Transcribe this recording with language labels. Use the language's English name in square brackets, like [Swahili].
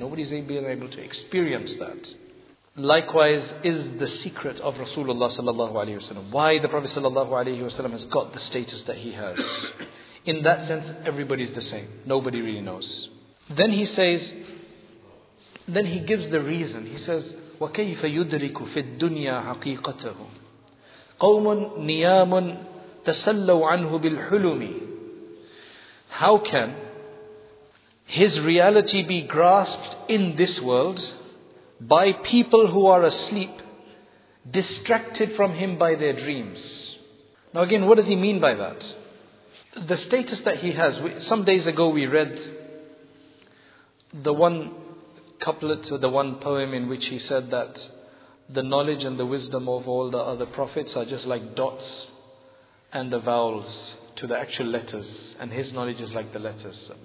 [English] Nobody's been able to experience that. Likewise is the secret of Rasulullah sallallahu alaihi wasallam. Why the Prophet sallallahu alaihi wasallam has got the status that he has. In that sense, everybody's the same. Nobody really knows. Then he says, then he gives the reason. [Arabic] He says, وَكَيْفَ يُدْرِكُ فِي الدُّنْيَا حَقِيقَتَهُ قَوْمٌ نِيَامٌ تَسَلَّوْ عَنْهُ بِالْحُلُمِ. [English] How can his reality be grasped in this world by people who are asleep, distracted from him by their dreams? Now again, what does he mean by that? The status that he has, some days ago we read the one couplet, or the one poem in which he said that the knowledge and the wisdom of all the other prophets are just like dots and the vowels to the actual letters, and his knowledge is like the letters.